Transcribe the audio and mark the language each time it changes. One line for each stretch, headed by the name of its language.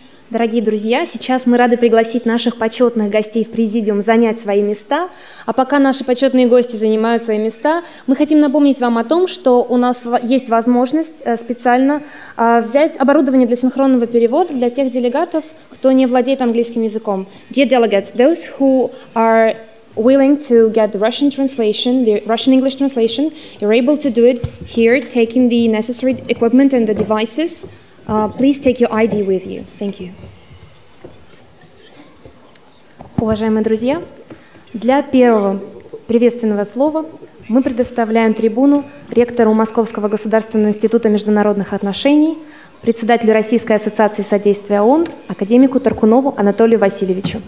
Russian: Дорогие друзья, сейчас мы рады пригласить наших почетных гостей в президиум занять свои места. А пока наши почетные гости занимают свои места, мы хотим напомнить вам о том, что у нас есть возможность специально взять оборудование для синхронного перевода для тех делегатов, кто не владеет английским языком.
English: Dear delegates, those who are willing to get the Russian translation, the Russian English translation, you're able to do it here, taking the necessary equipment and the devices. Please take your ID with you. Thank you.
Russian: Уважаемые друзья, для первого приветственного слова мы предоставляем трибуну ректору Московского государственного института международных отношений, председателю Российской ассоциации содействия ООН, академику Торкунову Анатолию Васильевичу.